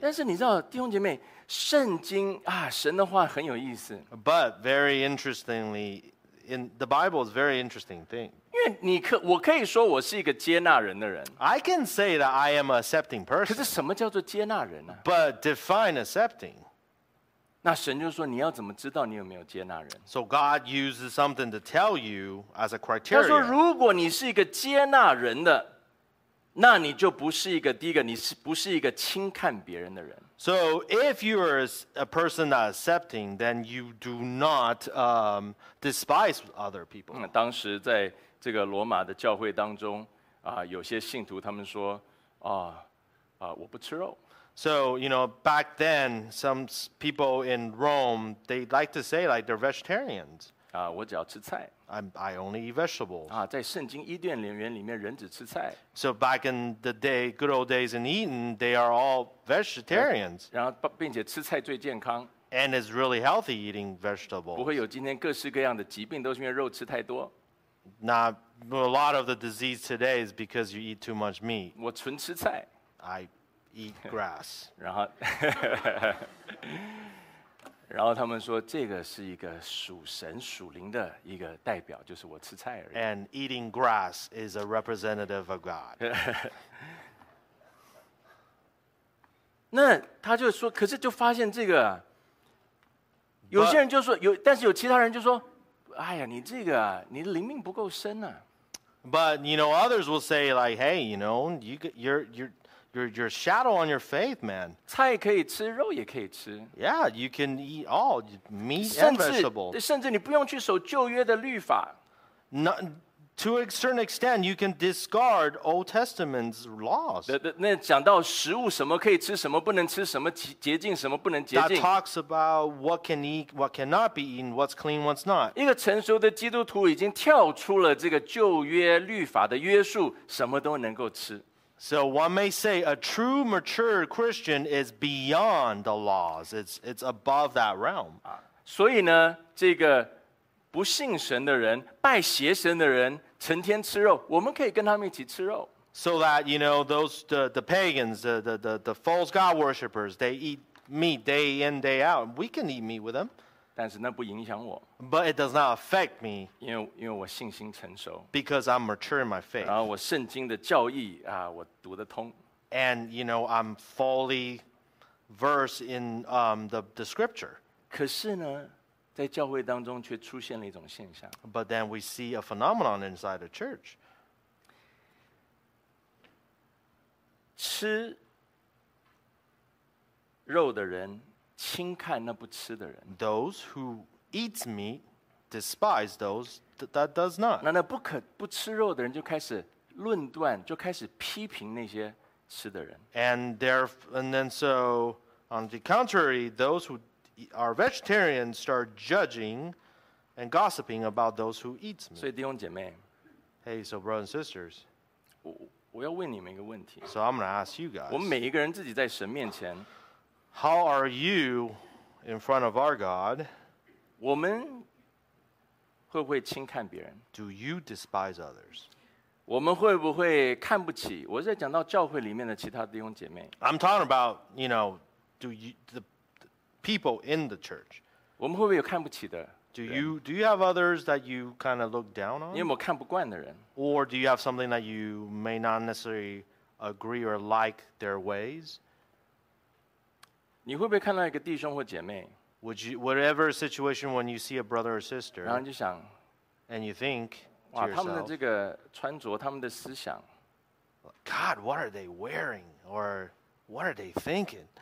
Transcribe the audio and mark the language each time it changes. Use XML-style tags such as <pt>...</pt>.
<zh>但是你知道，弟兄姐妹，圣经啊，神的话很有意思。</zh> <en>But very interestingly, in the Bible is very interesting thing.</en> <zh>因为你可我可以说我是一个接纳人的人。</zh> <en>I can say that I am an accepting person.</en> <zh>可是什么叫做接纳人呢、啊、</zh> <en>？But define accepting.</en> <zh>那神就说，你要怎么知道你有没有接纳人？</zh> <en>So God uses something to tell you as a criteria.</en> <zh>他说，如果你是一个接纳人的，那你就不是一个，第一个，你是不是一个轻看别人的人？</zh> <en>So if you are a person that accepting, then you do not despise other people.</en> <zh>当时在这个罗马的教会当中，有些信徒他们说，我不吃肉。</zh> <en>So, you know, back then, some people in Rome, they like to say, like, they're vegetarians.</en> <zh>我只要吃菜。</zh> <en>I only eat vegetables.</en> <zh>在圣经伊甸园里面人只吃菜。</zh> <en>So back in the day, good old days in Eden, they are all vegetarians.</en> <zh>然后并且吃菜最健康。</zh> <en>And it's really healthy eating vegetables.</en> <zh>不会有今天各式各样的疾病都是因为肉吃太多。</zh> <en>Now, a lot of the disease today is because you eat too much meat.</en> <zh>我纯吃菜。</zh> <en>Eat grass.</en> <zh>然后他们说这个是一个属神属灵的一个代表，就是我吃菜而已。</zh> <en>And eating grass is a representative of God.</en> <zh>那他就说，可是就发现这个，有些人就说有，但是有其他人就说，哎呀，你这个你的灵命不够深啊。</zh> <en>But you know, others will say like, hey, you know, you're shadow on your faith, man.</en> <zh>菜可以吃，肉也可以吃。</zh> <en>Yeah, you can eat all meat and vegetables.</en> <zh>甚至你不用去守旧约的律法。</zh> <en>To a certain extent, you can discard Old Testament's laws.</en> <zh>那讲到食物什么可以吃，什么不能吃，什么洁净，什么不能洁净。</zh> <en>That talks about what can eat, what cannot be eaten, what's clean, what's not.</en> <zh>一个成熟的基督徒已经跳出了这个旧约律法的约束，什么都能够吃。</zh> <en>So one may say a true mature Christian is beyond the laws. It's above that realm.</en> <zh>所以呢，这个不信神的人，拜邪神的人，成天吃肉，我们可以跟他们一起吃肉。</zh> <en>So that, you know, those the pagans, the false god worshippers, they eat meat day in, day out. We can eat meat with them.</en> <zh>但是那不影响我。</zh> <en>But it does not affect me.</en> <zh>因为我信心成熟。</zh> <en>Because I'm mature in my faith.</en> <zh>然后我圣经的教义啊，我读得通。</zh> <en>And you know I'm fully versed in the scripture.</en> <zh>可是呢，在教会当中却出现了一种现象。</zh> <en>But then we see a phenomenon inside the church.</en> <zh>吃肉的人轻看那不吃的人。</zh> <en>Those who eats meat despise those that does not.</en> <zh>那不可不吃肉的人就开始论断，就开始批评那些吃的人。</zh> <en>And then so on the contrary, those who are vegetarians start judging and gossiping about those who eats meat.</en> <zh>所以弟兄姐妹</zh> <en>，Hey, so brothers and sisters,</en> <zh>我要问你们一个问题。</zh> <en>So I'm going to ask you guys.</en> <zh>我们每一个人自己在神面前。</zh> <en>How are you in front of our God?</en> <zh>我们会不会轻看别人？</zh> <en>Do you despise others?</en> <zh>我们会不会看不起？我在讲到教会里面的其他弟兄姐妹。</zh> <en>I'm talking about, you know, do you, the people in the church.</en> <zh>我们会不会有看不起的？</zh> <en>Do you have others that you kind of look down on?</en> <zh>你有没有看不惯的人？</zh> <en>Or do you have something that you may not necessarily agree or like their ways?</en> <zh>你会不会看到一个弟兄或姐妹？</zh> <en>Would you, whatever situation when you see a brother or sister,</en> <zh>然后就想，</zh> <en>and you think to yourself,</en> <zh>他们的这个穿着，他们的思想，</zh> <en>God, what are they wearing? Or what are they thinking?</en>